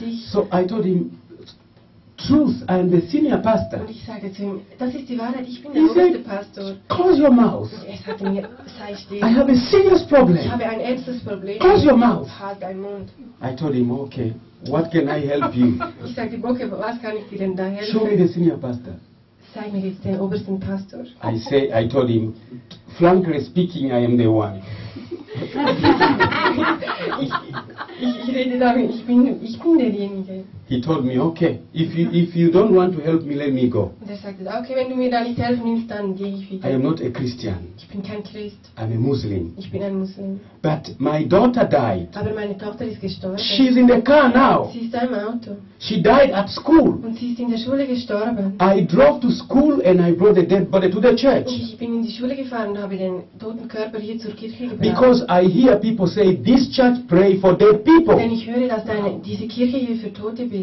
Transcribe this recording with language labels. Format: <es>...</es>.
<en>So I told him, truth, I am the senior pastor.</en> <de>Und ich sagte zu ihm, das ist die Wahrheit, ich bin der oberste Pastor.</de> <en>Close your mouth.</en> <de>Er sagte mir, sei still.</de> <en>I have a serious problem.</en> <de>Ich habe ein ernstes Problem.</de> <en>Close your mouth.</en> <de>Halt deinen Mund.</de> <en>I told him, okay, what can I help you?</en> <de>Ich sagte, okay, was kann ich dir denn da helfen?</de> <en>Show me the senior pastor.</en> <de>Zeig mir jetzt den obersten Pastor.</de> <en>I told him, frankly speaking, I am the one.</en> <de>ich rede damit, ich bin derjenige.</de> <en>He told me, okay, if you don't want to help me, let me go.</en> <de>Und er sagte, okay, wenn du mir da nicht helfen willst, dann gehe ich wieder.</de> <en>I am not a Christian.</en> <de>Ich bin kein Christ.</de> <en>I'm a Muslim.</en> <de>Ich bin ein Muslim.</de> <en>But my daughter died.</en> <de>Aber meine Tochter ist gestorben.</de> <en>She's in the car now.</en> <de>Sie ist im Auto.</de> <en>She died at school.</en> <de>Und sie ist in der Schule gestorben.</de> <en>I drove to school and I brought the dead body to the church.</en> <de>Und ich bin in die Schule gefahren und habe den toten Körper hier zur Kirche gebracht.</de> <en>Because I hear people say this church pray for dead people.</en> <de>Denn ich höre, dass diese Kirche hier für Tote betet.</de>